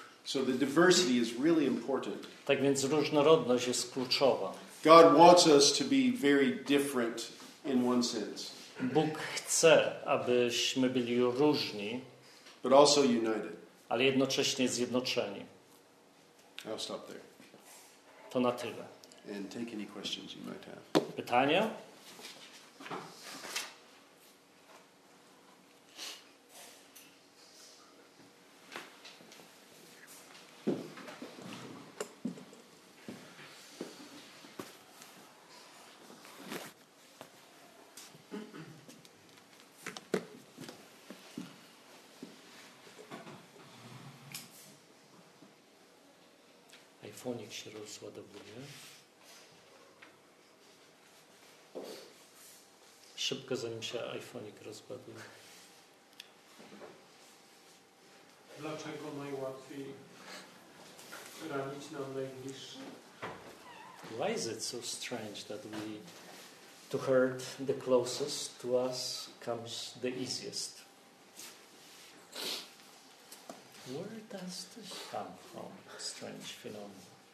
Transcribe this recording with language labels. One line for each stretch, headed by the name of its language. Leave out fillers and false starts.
English: So the diversity is really important.
Polish: Tak więc różnorodność jest kluczowa.
English: God wants us to be very different in one sense.
Polish: Bóg chce, abyśmy byli różni,
English: but also united.
Polish: ale jednocześnie zjednoczeni.
English: I'll stop there.
Polish: To na tyle.
English: And take any questions you might have.
Polish: Pytania? Fonik się rozładowuje. Szybko, zanim się iPhonik rozładuje. Dlaczego najłatwiej ranić nam najbliższych?
English: Why is it so strange that we to hurt the closest to us comes the easiest? Where does this come from? Strange phenomenon.